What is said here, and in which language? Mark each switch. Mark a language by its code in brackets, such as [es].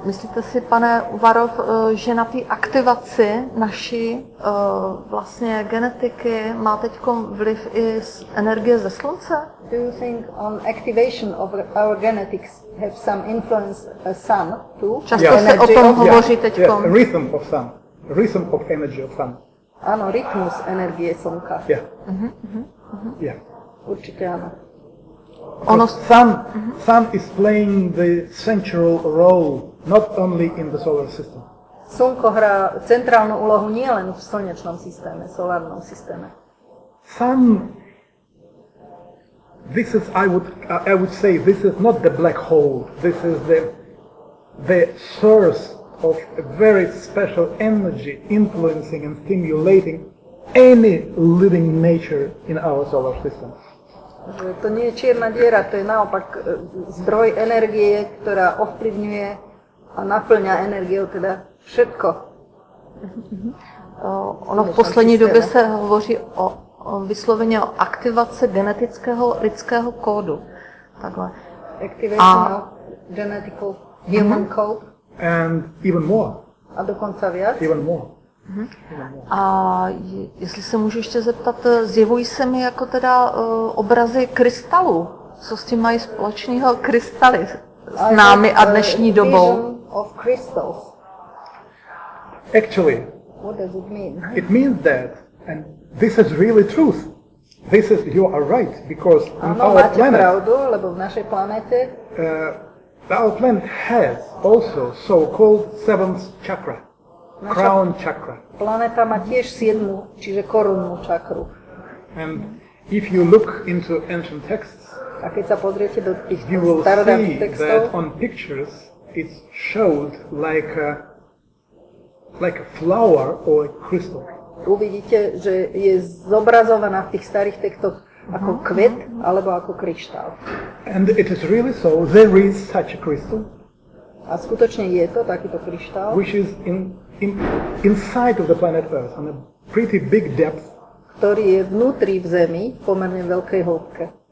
[cs] myslíte si, pane Uvarov, že na té aktivaci naší vlastně genetiky má teď vliv i z energie ze slunce? [en] Do you think on activation of our genetics have some influence a sun too? [cs] Často se o tom hovoří teď. [en] Yeah. Rhythm of sun. Rhythm of energy of sun. [cs] Ano, rytmus energie slunka. [en] Yeah. [cs] Určitě ano. [en] Ono sun is playing the central role not only in the solar system. [sk] Slunko hrá centrální úlohu nejen v slunečním systému, solárním systému. [en] Sun, this is I would say this is not the black hole. This is the source of a very special energy influencing and stimulating any living nature in our solar system. [sk] To nie je čierna diera, to je naopak zdroj energie, ktorá ovplyvňuje a naplňa energiou teda všetko. [cs] Ono v poslední době se hovoří o vysloveně o aktivaci genetického lidského kódu. Takhle. [en] Activation of genetic human code. And even more. [sk] A dokonca viac? [en] Even more. [cs] A jestli se můžu ještě zeptat, zjevují se mi jako teda obrazy krystalů? Co s tím mají společného krystaly s námi a dnešní dobou? [en] Of crystals. Actually, what does it mean? It means that, and this is really truth. This is, you are right, because [cs] ano, [en] on our planet, [sk] pravdu, lebo v našej planete, [en] our planet has also so-called seventh chakra, naša crown chakra. [sk] Planeta má tiež siedmu, čiže korunnú čakru. [en] And if you look into ancient texts, [sk] a keď sa pozriete do tých [en] you will see [sk] textov, [en] that on pictures it's showed like a flower or a crystal. [sk] Uvidíte, že je zobrazovaná v tých starých textoch ako kvet alebo ako kryštál. [en] And it is really so, there is such a crystal. [sk] A skutočne je to takýto kryštál. [en] Which is inside of the planet Earth on a pretty big depth. [sk] Ktorý je vnútri v Zemi v pomerne veľkej hĺbke.